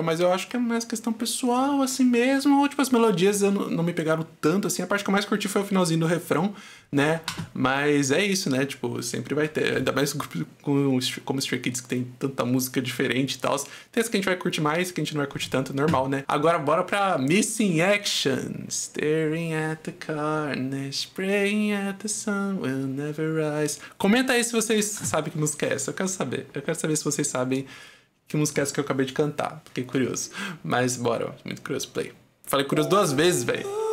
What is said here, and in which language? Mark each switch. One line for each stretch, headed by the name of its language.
Portuguese: Mas eu acho que é mais questão pessoal, assim mesmo. Ou, tipo, as melodias não me pegaram tanto, assim. A parte que eu mais curti foi o finalzinho do refrão, né? Mas é isso, né? Tipo, sempre vai ter. Ainda mais como Stray Kids, que tem tanta música diferente e tal. Tem as que a gente vai curtir mais, que a gente não vai curtir tanto, normal, né? Agora, bora pra Missing Action.
English: Staring at the carnage, praying at the sun will never rise.
Portuguese: Comenta aí se vocês sabem que música é essa. Eu quero saber. Eu quero saber se vocês sabem que música é essa que eu acabei de cantar. Fiquei curioso. Mas bora, muito curioso. Play. Falei curioso duas vezes, velho.